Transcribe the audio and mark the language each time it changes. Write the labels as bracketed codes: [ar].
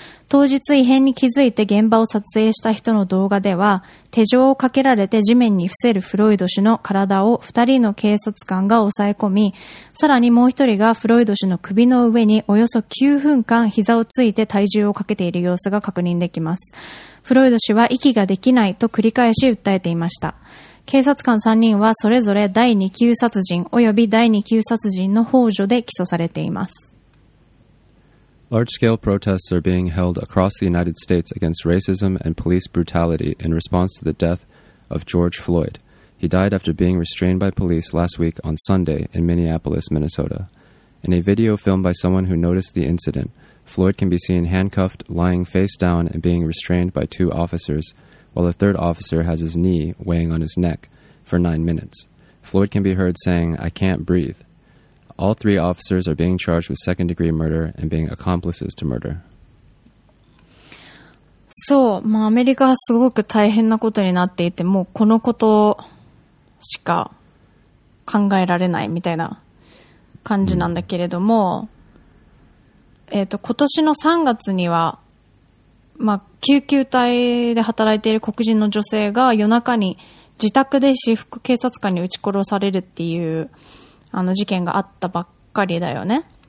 [ja] 当日異変に気づいて現場を撮影した人の動画では、手錠をかけられて地面に伏せるフロイド氏の体を2人の警察官が押さえ込み、さらにもう1人がフロイド氏の首の上におよそ9分間膝をついて体重をかけている様子が確認できます。フロイド氏は息ができないと繰り返し訴えていました。警察官3人はそれぞれ第2級殺人および第2級殺人の幇助で起訴されています。 [en] Large-scale protests are being held across the United States against racism and police brutality in response to the death of George Floyd. He died after being restrained by police last week on Sunday in Minneapolis, Minnesota. In a video filmed by someone who noticed the incident, Floyd can be seen handcuffed, lying face down, and being restrained by two officers, while a third officer has his knee weighing on his neck for 9 minutes. Floyd can be heard saying, "I can't breathe." All three officers are being charged with second-degree murder and being accomplices to murder. [ja] そう、まあアメリカはすごく大変なことになっていて、もうこのことしか考えられないみたいな感じなんだけれども、今年の3月には、まあ救急隊で働いている黒人の女性が夜中に自宅で私服警察官に撃ち殺されるっていう、あの事件があったばっかりだよね。